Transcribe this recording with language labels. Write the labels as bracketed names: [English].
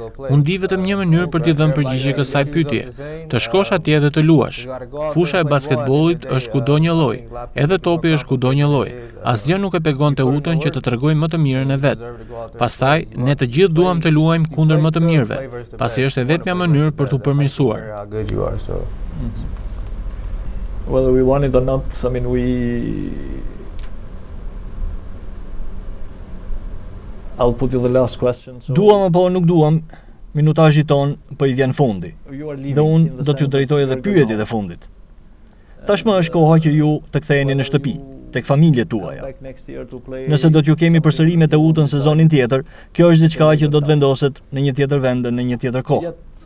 [Albanian] Unë di vetëm një mënyrë për t'i dhënë përgjigje kësaj pytje. Të shkosh atje dhe të luash. Fusha e basketbollit është kudo një lloj, edhe topi është kudo një lloj. Asgjë nuk e pegon Teutën që të tregojë më të mirën e vet. Pastaj ne të gjithë duam të luajmë kundër më të mirëve, pasi është e vetmja mënyrë për t'u përmirësuar. [English] Whether we want it or not, I mean we I'll put you the last question. So [Albanian] duam apo nuk duam, minutazhi ton po I vjen fundi. Dhe unë do t'ju drejtoj edhe pyetjet e fundit. Tashmë është koha që ju të ktheheni në shtëpi, tek familjet tuaja. Nëse do t'ju kemi përsëri me Teutën sezonin tjetër, kjo është diçka që do të vendoset në një tjetër vend, në një tjetër kohë.